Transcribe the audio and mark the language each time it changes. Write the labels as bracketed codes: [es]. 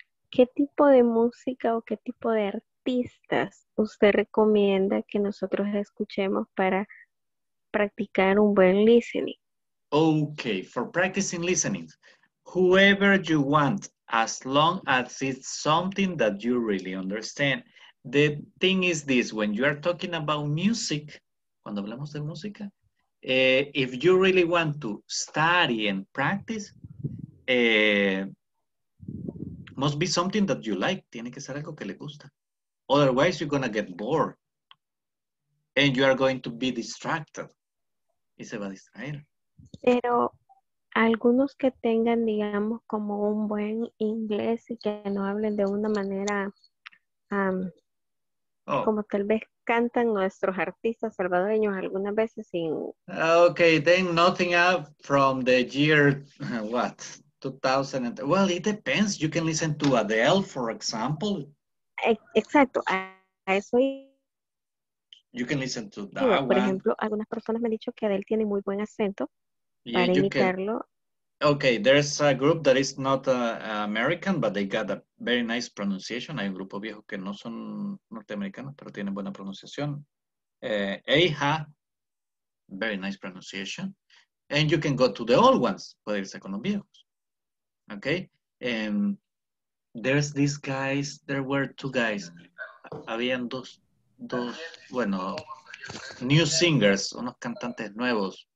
[es] ¿Qué tipo de música o qué tipo de artistas usted recomienda que nosotros escuchemos para practicar un buen listening? [en] Okay, for practicing listening, whoever you want, as long as it's something that you really understand. The thing is this, when you are talking about music, [es] cuando hablamos de música, [en] if you really want to study and practice, must be something that you like. [es] Tiene que ser algo que le gusta. [en] Otherwise, you're going to get bored. And you are going to be distracted. [es] Y se va a distraer. Pero algunos que tengan, digamos, como un buen inglés y que no hablen de una manera, como tal vez cantan nuestros artistas salvadoreños algunas veces sin... [en] Okay, then nothing up from the year, what, 2000? Well, it depends. You can listen to Adele, for example. [es] Exacto. A eso y... [en] You can listen to that one. [es] Por ejemplo, algunas personas me han dicho que Adele tiene muy buen acento. [en] Yeah, you can. Okay, there's a group that is not American, but they got a very nice pronunciation. [es] Hay un grupo viejo que no son norteamericanos, pero tienen buena pronunciación. [en] Aja, very nice pronunciation. And you can go to the old ones. [es] Puede irse con los viejos. Okay. [en] There's these guys. There were two guys. [es] Habían dos, [en] new singers, [es] unos cantantes nuevos.